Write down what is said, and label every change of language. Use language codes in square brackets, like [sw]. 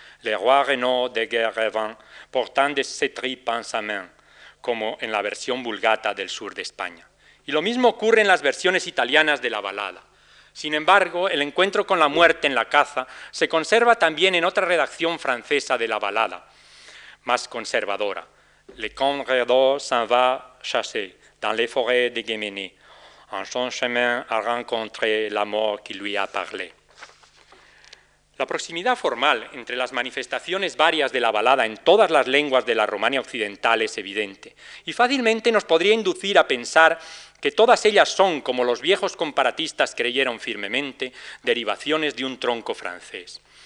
[fr] Le roi Renaud de Guerrevin, portant de ses tripes en sa main, [es] como en la versión vulgata del sur de España. Y lo mismo ocurre en las versiones italianas de la balada. Sin embargo, el encuentro con la muerte en la caza se conserva también en otra redacción francesa de la balada, más conservadora. [fr] Le comte Renaud s'en va chasser dans les forêts de Guéménée. En son chemin a rencontré la mort qui lui a parlé. [es] La proximidad formal entre las manifestaciones varias de la balada en todas las lenguas de la Romania occidental es evidente y fácilmente nos podría inducir a pensar que todas ellas son, como los viejos comparatistas creyeron firmemente, derivaciones de un tronco francés.